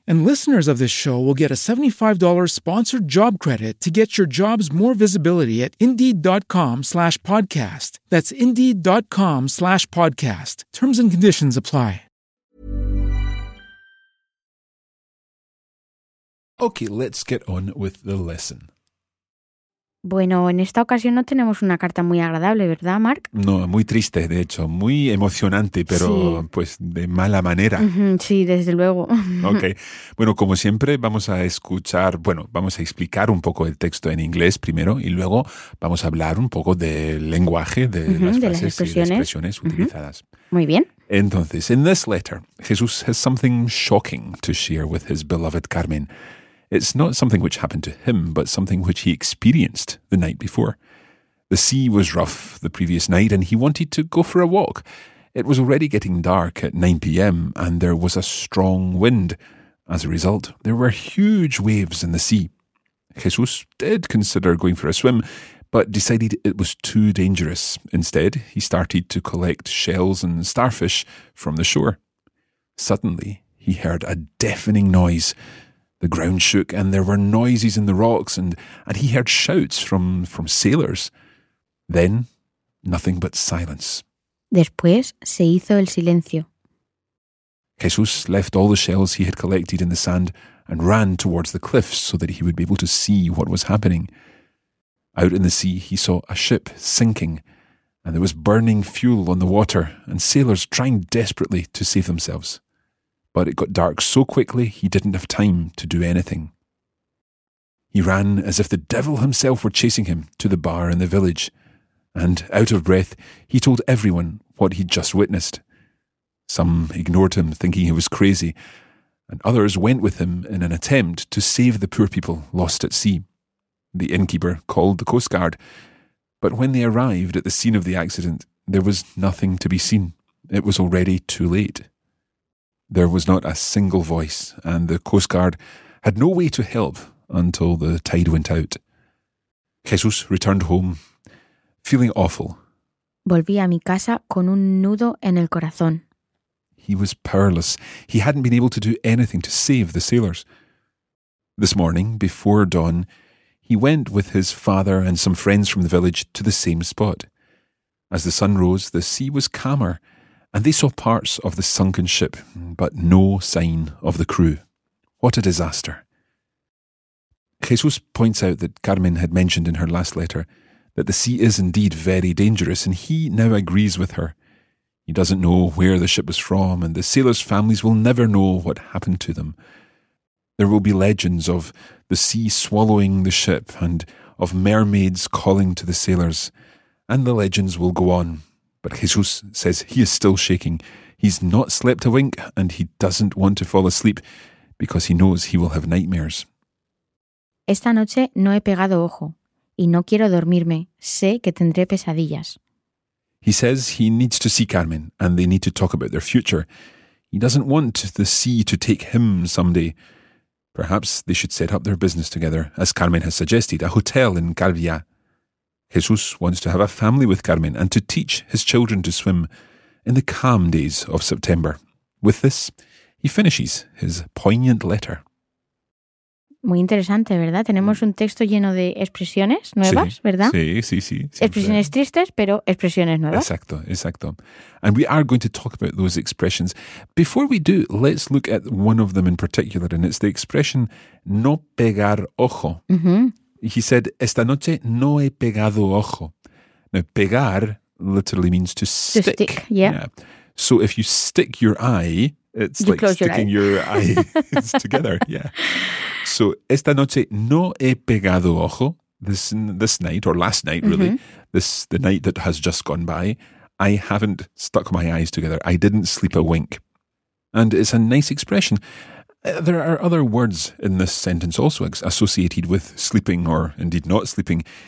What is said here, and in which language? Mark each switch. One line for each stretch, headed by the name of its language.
English: And listeners of this show will get a $75 sponsored job credit to get your jobs more visibility at Indeed.com/podcast. That's Indeed.com/podcast. Terms and conditions apply. Okay, let's get on with the lesson.
Spanish: Bueno, en esta ocasión no tenemos una carta muy agradable, ¿verdad, Mark? No, muy triste, de hecho. Muy emocionante, pero sí. Pues de mala manera. Sí, desde luego.
English: Okay.
Spanish: Bueno, como siempre, vamos a explicar un poco el texto en inglés primero y luego vamos a hablar un poco del lenguaje, de las frases expresiones utilizadas. Muy bien. Entonces,
English: in this letter, Jesús has something shocking to share with his beloved Carmen. It's not something which happened to him, but something which he experienced the night before. The sea was rough the previous night, and he wanted to go for a walk. It was already getting dark at 9 p.m., and there was a strong wind. As a result, there were huge waves in the sea. Jesús did consider going for a swim, but decided it was too dangerous. Instead, he started to collect shells and starfish from the shore. Suddenly, he heard a deafening noise. The ground shook and there were noises in the rocks and he heard shouts from sailors. Then, nothing but silence.
Spanish: Después se hizo el silencio.
English: Jesús left all the shells he had collected in the sand and ran towards the cliffs so that he would be able to see what was happening. Out in the sea, he saw a ship sinking and there was burning fuel on the water and sailors trying desperately to save themselves. But it got dark so quickly he didn't have time to do anything. He ran as if the devil himself were chasing him to the bar in the village. And out of breath, he told everyone what he'd just witnessed. Some ignored him, thinking he was crazy, and others went with him in an attempt to save the poor people lost at sea. The innkeeper called the Coast Guard, but when they arrived at the scene of the accident, there was nothing to be seen. It was already too late. There was not a single voice, and the Coast Guard had no way to help until the tide went out. Jesús returned home, feeling awful.
Spanish: Volví a mi casa con un nudo en el corazón.
English: He was powerless. He hadn't been able to do anything to save the sailors. This morning, before dawn, he went with his father and some friends from the village to the same spot. As the sun rose, the sea was calmer, and they saw parts of the sunken ship, but no sign of the crew. What a disaster. Jesús points out that Carmen had mentioned in her last letter that the sea is indeed very dangerous, and he now agrees with her. He doesn't know where the ship was from, and the sailors' families will never know what happened to them. There will be legends of the sea swallowing the ship and of mermaids calling to the sailors, and the legends will go on. But Jesús says he is still shaking. He's not slept a wink, and he doesn't want to fall asleep because he knows he will have nightmares.
Spanish: Esta noche no he pegado ojo, y no quiero dormirme. Sé que tendré pesadillas.
English: He says he needs to see Carmen, and they need to talk about their future. He doesn't want the sea to take him someday. Perhaps they should set up their business together, as Carmen has suggested, a hotel in Calvià. Jesús wants to have a family with Carmen and to teach his children to swim in the calm days of September. With this, he finishes his poignant letter.
Spanish: Muy interesante, ¿verdad? Tenemos un texto lleno de expresiones nuevas, sí, ¿verdad? Sí. Siempre. Expresiones tristes, pero expresiones nuevas. Exacto.
English: And we are going to talk about those expressions. Before we do, let's look at one of them in particular, and it's the expression
Spanish: no pegar ojo. Mm-hmm.
English: He said,
Spanish: esta noche no he pegado ojo.
English: Now, pegar literally means to stick. To stick, yeah. So if you stick your eye, it's you like sticking your eyes together. Yeah. So,
Spanish: esta noche no he pegado ojo.
English: This night, or last night, really, mm-hmm. The night that has just gone by, I haven't stuck my eyes together. I didn't sleep a wink. And it's a nice expression. There are other words in this sentence also associated with sleeping or indeed not sleeping.